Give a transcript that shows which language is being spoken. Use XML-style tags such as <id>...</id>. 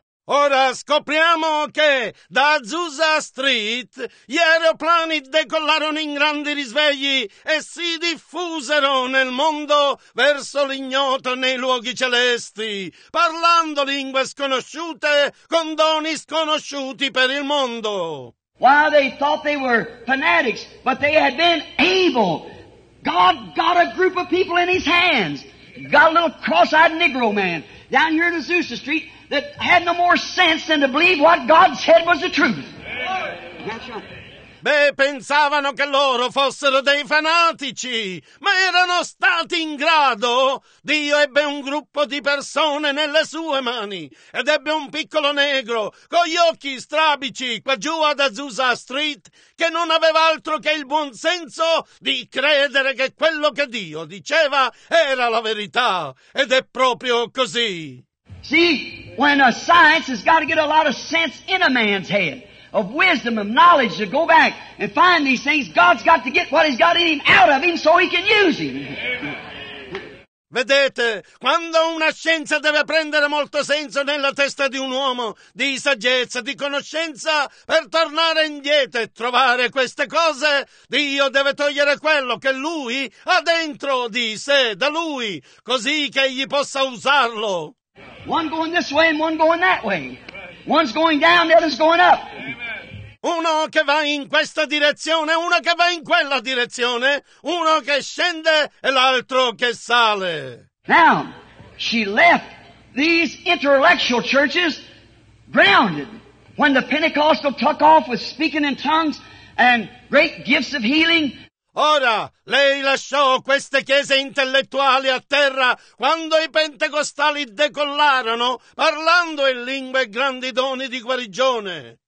<it>Ora scopriamo che da Azusa Street gli aeroplani decollarono in grandi risvegli e si diffusero nel mondo verso l'ignoto nei luoghi celesti, parlando lingue sconosciute con doni sconosciuti per il mondo.</it> <en>Wow, they thought they were fanatics, but they had been able. God got a group of people in his hands. Got a little cross-eyed Negro man down here in Azusa Street that had no more sense than to believe what God said was the truth.</en> <it>Beh, pensavano che loro fossero dei fanatici, ma erano stati in grado. Dio ebbe un gruppo di persone nelle sue mani ed ebbe un piccolo negro con gli occhi strabici qua giù ad Azusa Street che non aveva altro che il buon senso di credere che quello che Dio diceva era la verità. Ed è proprio così.</it> <en>See, when a science has got to get a lot of sense in a man's head, of wisdom, of knowledge, to go back and find these things, God's got to get what he's got in him out of him so he can use him.</en> <it>Vedete, quando una scienza deve prendere molto senso nella testa di un uomo, di saggezza, di conoscenza, per tornare indietro e trovare queste cose, Dio deve togliere quello che lui ha dentro di sé, da lui, così che egli possa usarlo.</it> <en>One going this way and one going that way. One's going down, the other's going up.</en> <it>Uno che va in questa direzione, uno che va in quella direzione, uno che scende e l'altro che sale.</it> <en>Now, she left these intellectual churches grounded when the Pentecostal took off with speaking in tongues and great gifts of healing.</en> <it>Ora, lei lasciò queste chiese intellettuali a terra quando i pentecostali decollarono parlando in lingue e grandi doni di guarigione.</it>